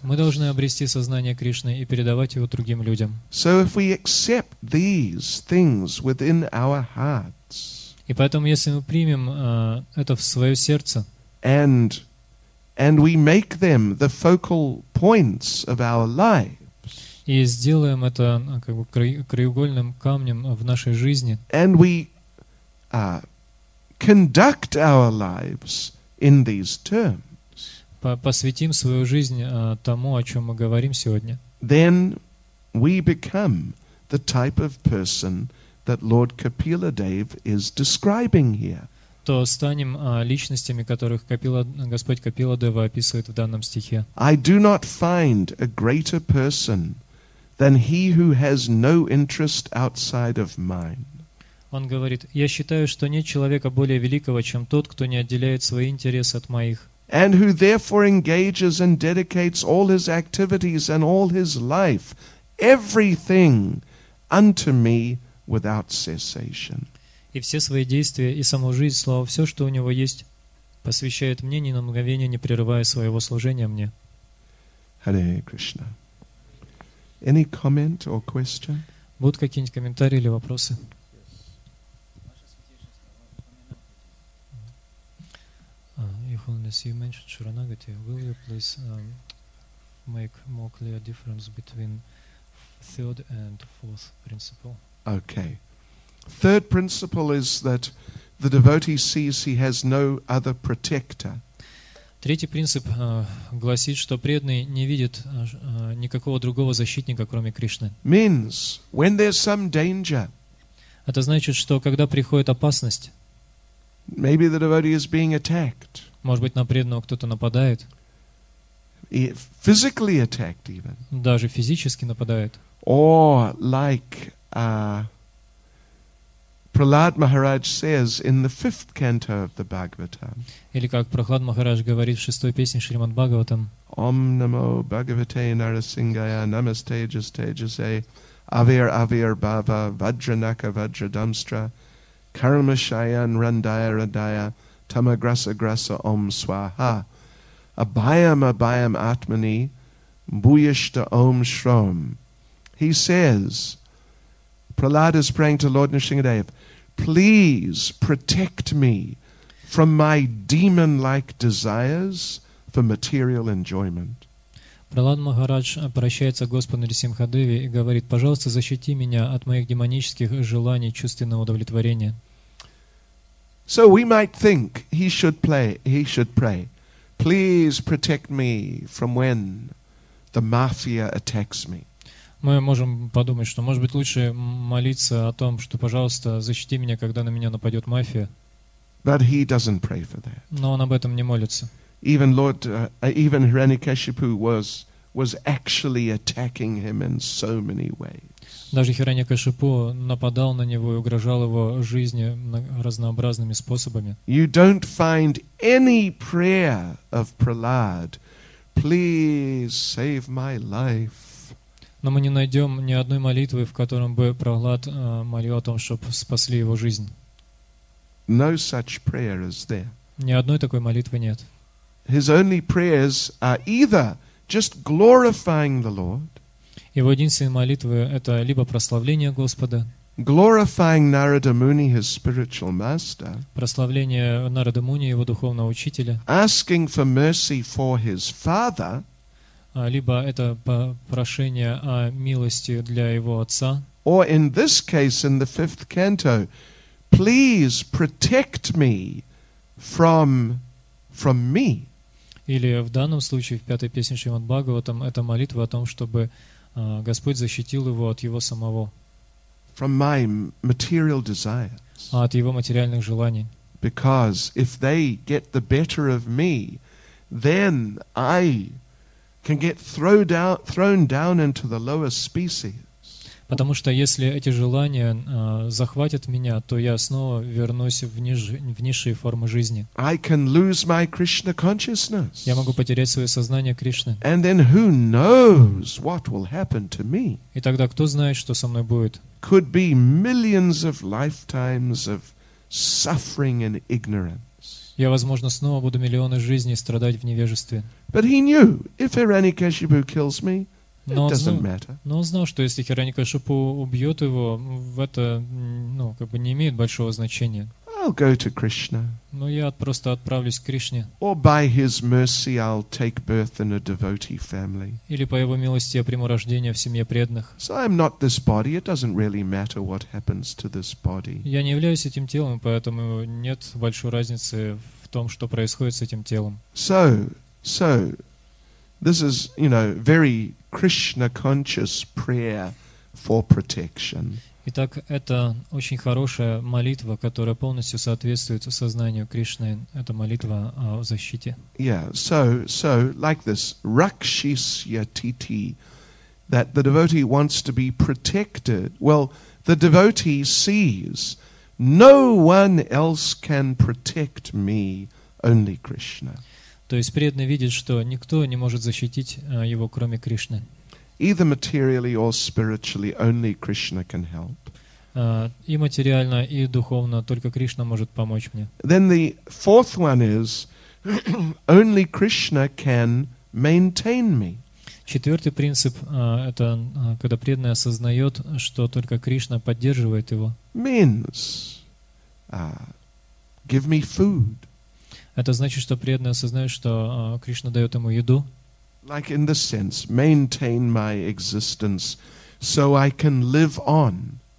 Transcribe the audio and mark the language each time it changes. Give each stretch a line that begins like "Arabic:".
Russian: Мы должны обрести сознание Кришны и передавать его другим людям.
English: So if we accept these things within our hearts.
Russian: И поэтому если мы примем это в своё сердце.
English: And we make them the focal points of our life.
Russian: И сделаем это как бы краеугольным камнем в нашей жизни.
English: And we conduct our lives in these terms.
Russian: Посвятим свою жизнь тому, о чем мы говорим сегодня.
English: Then we become the type of person that Lord Kapila Dev is describing here.
Russian: То станем личностями, которых Господь Капила Дева описывает в данном стихе.
English: I do not find a greater person than he who has no interest outside of mine.
Russian: Он говорит: я считаю, что нет человека более великого, чем тот, кто не отделяет свои интересы от моих.
English: And who therefore engages and dedicates all his activities and all his life, everything unto me without cessation.
Russian: И все свои действия и саму жизнь, слово, все, что у него есть, посвящает мне, ни на мгновение не прерывая своего служения мне.
English: Hare Krishna. Any comment or question?
Russian: Будут какие-нибудь комментарии или вопросы?
English: Your Holiness, you mentioned Sharanagati. Will you please make more clear difference between third and fourth principle? Okay. Third principle is that the devotee sees he has no other protector.
Russian: Третий принцип гласит, что преданный не видит никакого другого защитника, кроме Кришны.
English: Means when there's some danger.
Russian: Это значит, что когда приходит опасность.
English: Maybe the devotee is being attacked.
Russian: Может быть, на преданного кто-то нападает.
English: Physically attacked even.
Russian: Даже физически нападает.
English: Or like Prahlad Maharaj says in the fifth canto of the Bhagavatam.
Russian: Или как Прохлад Махарадж говорит в шестой песне Шримад Бхагаватам.
Sanskrit: Ом намо Бхагавате Нарасингхая, намасте джастеджасе, авир авир бава, ваджранака ваджрадамстра, кармашаян рандая радая, тамаграса граса ом сваха, абхаям абхаям атмани, буйишта ом шром.
English: He says, Prahlad is praying to Lord Nrisimhadev, please protect me from my demon-like desires for material enjoyment.
Russian: Прахлад Махарадж обращается к Господу Нрисимхадеве и говорит: пожалуйста, защити меня от моих демонических желаний чувственного удовлетворения.
English: So we might think he should pray, please protect me from when the mafia attacks me.
Russian: Мы можем подумать, что, может быть, лучше молиться о том, что, пожалуйста, защити меня, когда на меня нападет мафия.
English: But he doesn't pray for that.
Russian: Но он об этом не молится.
English: Even Lord, even Hiranyakashipu was actually attacking him in so many ways.
Russian: Даже Хиранья-Кашипу нападал на него и угрожал его жизни разнообразными способами.
English: You don't find any prayer of Prahlad. Please save my life.
Russian: Но мы не найдем ни одной молитвы, в котором бы Прохлад молил о том, чтобы спасли его жизнь.
English: No such prayer is there.
Russian: Ни одной такой молитвы нет.
English: His only prayers are either just glorifying the Lord.
Russian: Его единственные молитвы — это либо прославление Господа,
English: glorifying Narada Muni, his spiritual master,
Russian: прославление Нарада Муни, его духовного учителя,
English: asking for mercy for his father,
Russian: либо это прошение о милости для его отца,
English: or in this case, in the fifth canto, please protect me from me.
Russian: Или в данном случае, в пятой песне Шримад-Бхагаватам, это молитва о том, чтобы Господь защитил его от его самого.
English: From my material desires.
Russian: А от его материальных желаний.
English: Because if they get the better of me, then I can get thrown down into the lower species.
Russian: Потому что если эти желания захватят меня, то я снова вернусь в низшие формы жизни.
English: I can lose my Krishna consciousness.
Russian: Я могу потерять свое сознание Кришны.
English: And then who knows what will happen to me?
Russian: И тогда кто знает, что со мной будет?
English: Could be millions of lifetimes of suffering and ignorance.
Russian: Я, возможно, снова буду миллионы жизней страдать в невежестве.
English: But he knew, if Hiranyakashipu kills me,
Russian: но он знал, что если Хиранья-Кашипу убьет его, это, ну, как бы не имеет большого значения.
English: I'll go to Krishna.
Russian: Но я просто отправлюсь к Кришне.
English: Or by his mercy I'll take birth in a devotee family.
Russian: Или по его милости я приму рождение в семье преданных.
English: So I'm not this body. It doesn't really matter what happens to this body.
Russian: Я не являюсь этим телом, поэтому нет большой разницы в том, что происходит с этим телом.
English: So this is, you know, very Krishna conscious prayer for protection.
Russian: Итак, это очень хорошая молитва, которая полностью соответствует сознанию Кришны. Это молитва о защите.
English: Yeah, so like this, rakshisya titi, that the devotee wants to be protected. Well, the devotee sees no one else can protect me, only Krishna.
Russian: То есть преданный видит, что никто не может защитить его, кроме Кришны.
English: Either materially or spiritually, only Krishna can help.
Russian: И материально, и духовно, только Кришна может помочь мне.
English: Then the fourth one is, only Krishna can maintain me.
Russian: Четвертый принцип — это когда преданный осознает, что только Кришна поддерживает его.
English: Means, give me food.
Russian: Это значит, что преданный осознает, что Кришна дает ему еду.
English: Like in this sense, maintain my existence so I can live on.